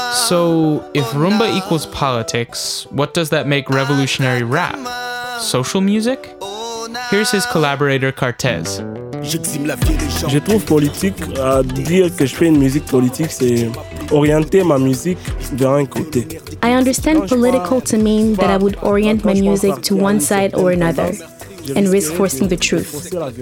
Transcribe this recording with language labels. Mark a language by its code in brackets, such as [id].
[en] So, if rumba equals politics, what does that make revolutionary rap? Social music? Here's his collaborator Cartez. [fr] Je trouve politique à dire que je fais une musique politique, c'est orienter ma musique vers un côté. [en] I understand political to mean that I would orient my music to one side or another and risk forcing the truth.